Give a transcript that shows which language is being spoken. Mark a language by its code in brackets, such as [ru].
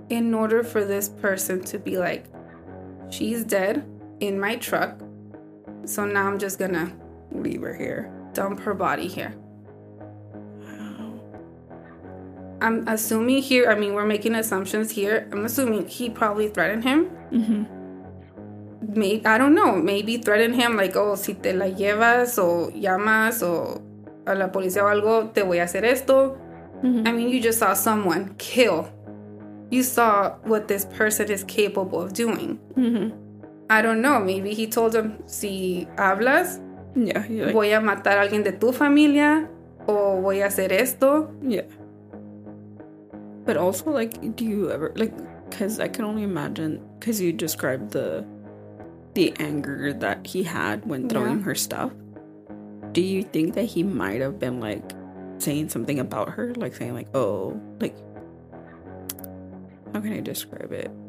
[en] In order for this person to be like, she's dead in my truck, so now I'm just gonna leave her here. Dump her body here. I'm assuming here, I mean, we're making assumptions here. I'm assuming he probably threatened him. Mm-hmm. Maybe, I don't know. Maybe threatened him like, oh, [es] si te la llevas o llamas o a la policía o algo, te voy a hacer esto. [en] Mm-hmm. I mean, you just saw someone kill. You saw what this person is capable of doing. Mm-hmm. I don't know. Maybe he told him, [es] si hablas, [en] yeah, [es] like, voy a matar a alguien de tu familia o voy a hacer esto. [en] Yeah. But also, like, do you ever, like, because I can only imagine, because you described the anger that he had when throwing her stuff. Do you think that he might have been, like, saying something about her? Like, saying, like, oh, like, how can I describe it?